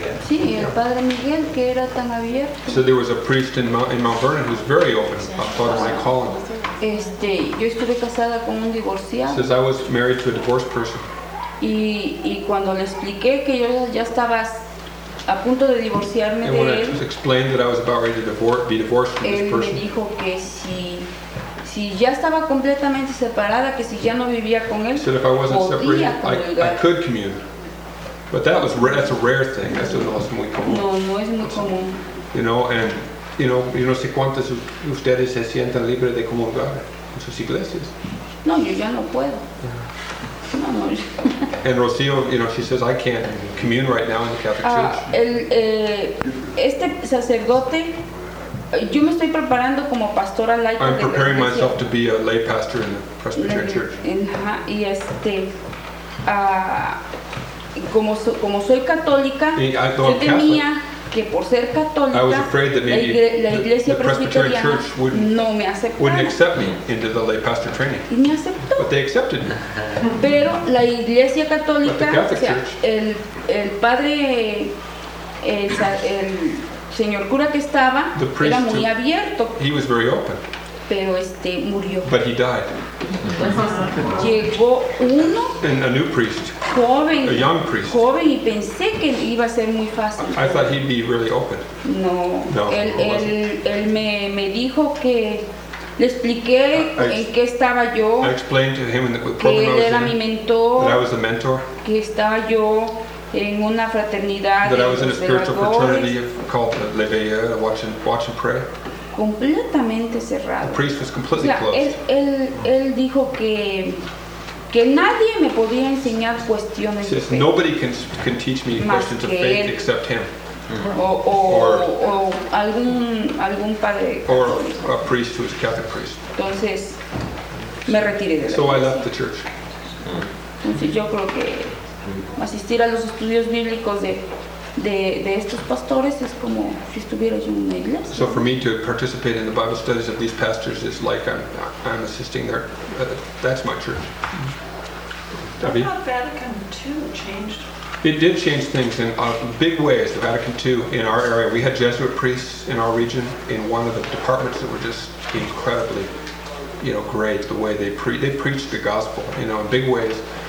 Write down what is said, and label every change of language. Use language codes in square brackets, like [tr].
[es] Sí, el Padre Miguel, que era tan abierto. [en] So there was a priest in Mount Vernon who's very open, Father Mike Holland. [es] Yo estuve casada con un divorciado. [en] Says I was married to a divorced person. [es] Y cuando le expliqué que yo ya estaba a punto de divorciarme [en] and [es] de él. [en] And when I explained that I was about ready to be divorced from this person. [es] Él me dijo que si ya estaba completamente separada, que si ya no vivía con él, [en] said if I wasn't separated, I could commune. But that's a rare thing. [es] Eso no es muy común. No es muy común. [en] You know, and you know, [es] yo no sé cuántos de ustedes se sienten libres de comulgar en sus iglesias. No, yo ya no puedo. [en] And Rocio, you know, she says, I can't commune right now in the Catholic Church. [es] Este sacerdote, yo me estoy preparando como pastora laica. [en] I'm preparing myself to be a lay pastor in the Presbyterian Church. [es] Y como soy católica, yo tenía que por ser católica, [en] I was afraid that maybe [es] la iglesia presbyteriana Church [en] wouldn't accept me into the lay pastor training. [es] Y me aceptó. [en] But they accepted me. [es] Pero la iglesia católica, o sea, el padre, el señor cura que estaba, era muy abierto. [en] He was very open. [es] Pero murió. [en] But he died. [es] Entonces, llegó uno. [en] And a new priest. [es] Joven. [en] A young priest. [es] Joven, y pensé que iba a ser muy fácil. [en] I thought he'd be really open. [es] No. [en] No. [es] Él me dijo que. Le expliqué en qué estaba yo. [en] I explained to him in the [es] program que él era mi mentor. [en] That I was a mentor. [es] Que estaba yo en una fraternidad. [en] That I was in a spiritual fraternity called Le Veilleur, watch and pray. [es] Completamente cerrado. [en] The priest was completely closed. [es] Él dijo que nadie me podía enseñar cuestiones de fe. [en] Nobody can teach me questions of faith except him. [es] Mm-hmm. O algún padre [en] or a priest who is a Catholic priest. [es] Entonces, me retiré de [en] so I left the church. [es] Entonces, yo creo que asistir a los estudios bíblicos de estos pastores es como si estuviera yo en una iglesia. [en] So for me to participate in the Bible studies of these pastors is like I'm assisting their that's my church. Mm-hmm. How Vatican II changed. It did change things in big ways, the Vatican II, in our area. We had Jesuit priests in our region in one of the departments that were just incredibly, you know, great, the way they preached the gospel, you know, in big ways.